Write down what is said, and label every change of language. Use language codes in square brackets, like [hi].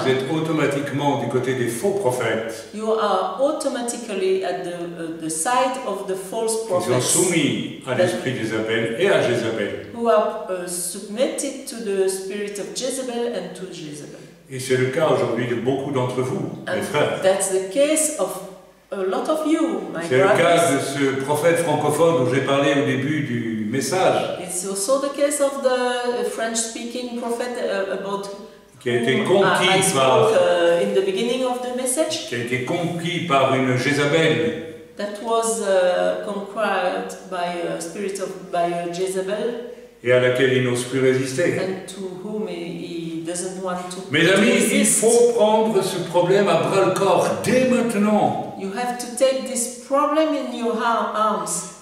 [fr] Vous êtes automatiquement du côté des faux prophètes. [en] You are automatically at the side of the false prophets. [fr] Ils sont soumis à l'esprit de Jézabel et à Jézabel. [en] Who are submitted to the spirit of Jezebel and to Jezebel. [fr] Et c'est le cas aujourd'hui de beaucoup d'entre vous, mes frères. [en] That's the case of a lot of you, my brothers. [fr] C'est le cas de ce prophète francophone dont j'ai parlé au début du message. [en] It's also the case of the French-speaking prophet about [fr] qui a été conquis par [en] in the beginning of the message. [fr] Qui a été conquis par une Jézabel. [en] That was conquered by a spirit of by a Jezebel. [fr] Et à laquelle il n'ose plus résister. [en] And to whom he doesn't want to resist. [fr] Mes amis, il faut prendre ce problème à bras le corps dès maintenant. [en] You have to take this problem in your arms.